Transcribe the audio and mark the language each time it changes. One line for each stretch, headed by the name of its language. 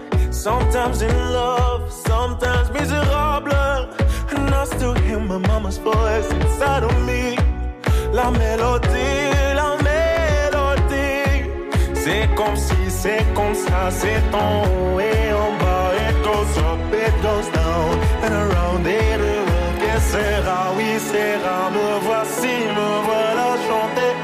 English: Sometimes in love, sometimes miserable. And I still hear my mama's voice inside of me.
French: La mélodie, la mélodie. C'est comme ça, c'est en haut et en bas.
English: It goes up, it goes down, and around et around.
French: Que sera, oui, sera. Me voici, me voilà, chanter.